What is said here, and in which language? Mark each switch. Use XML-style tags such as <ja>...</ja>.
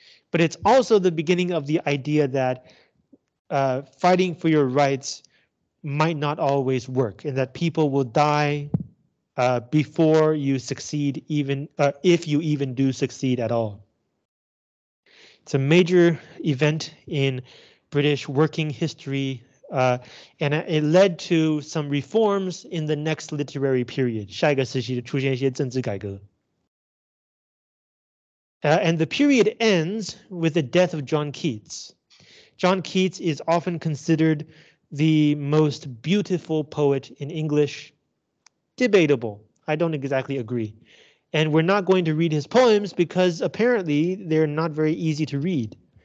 <en>But it's also the beginning of the idea that fighting for your rights might not always work, and that people will die before you succeed, even if you even do succeed at all. It's a major event in British working history, and it led to some reforms in the next literary period.</en> <zh>下一个时期出现一些政治改革。</zh> <en>And the period ends with the death of John Keats. John Keats is often considered the most beautiful poet in English. Debatable. I don't exactly agree. And we're not going to read his poems because apparently they're not very easy to read.</en>